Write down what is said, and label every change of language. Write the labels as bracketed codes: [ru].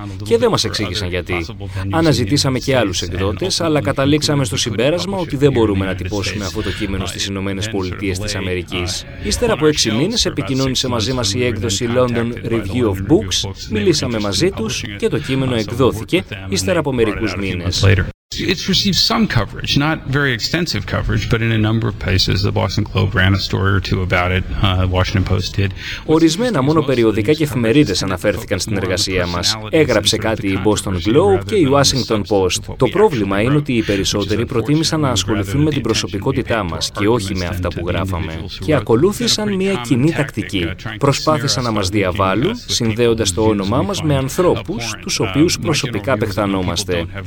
[el] Και δεν μας εξήγησαν γιατί. Αναζητήσαμε και άλλους εκδότες, αλλά καταλήξαμε στο συμπέρασμα ότι δεν μπορούμε να τυπώσουμε αυτό το κείμενο στις Ηνωμένες Πολιτείες της Αμερικής. Ύστερα από 6 μήνες επικοινώνησε μαζί μας η έκδοση London Review of Books, μιλήσαμε μαζί τους και το κείμενο εκδόθηκε ύστερα από μερικούς μήνες. [en] It's received some coverage, not very extensive coverage, but in a number of places. The Boston Globe ran a story or two about it. Washington Post did. [el] Ορισμένα μόνο περιοδικά και εφημερίδες αναφέρθηκαν στην εργασία μας. Έγραψε κάτι η Boston Globe και η Washington Post. Το πρόβλημα είναι ότι οι περισσότεροι προτίμησαν να ασχοληθούν με την προσωπικότητά μας και όχι με αυτά που γράφαμε. Και ακολούθησαν μια κοινή τακτική. Προσπάθησαν να μας διαβάλουν, συνδέοντας το όνομά μας με ανθρώπους τους οποίους προσωπικά απεχθανόμαστε.